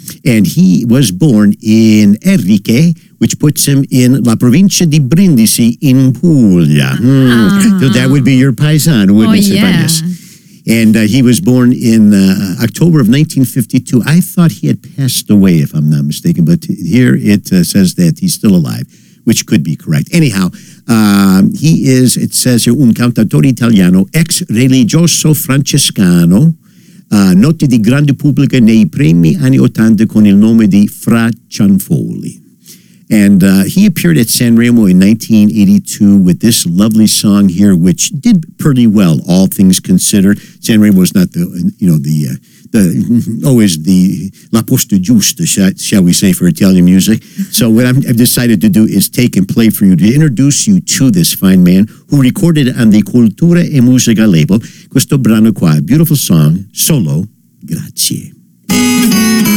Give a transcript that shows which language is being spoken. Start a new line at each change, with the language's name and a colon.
English: And he was born in Erriche, which puts him in La Provincia di Brindisi in Puglia. So that would be your paisan, wouldn't it? Oh, yeah. And he was born in October of 1952. I thought he had passed away, if I'm not mistaken. But here it says that he's still alive, which could be correct. Anyhow, he is, it says here,
Italian: un cantautore italiano, ex religioso francescano, noto di grande pubblico nei primi anni Ottanta con il nome di Fra Cianfoli.
English: And he appeared at Sanremo in 1982 with this lovely song here, which did pretty well, all things considered. Sanremo was not the, you know, the always the
Italian: la posta giusta,
English: shall we say, for Italian music. So what I've decided to do is take and play for you, to introduce you to this fine man who recorded on the Cultura e Musica label,
Italian: questo brano qua,
English: beautiful song, Solo Grazie.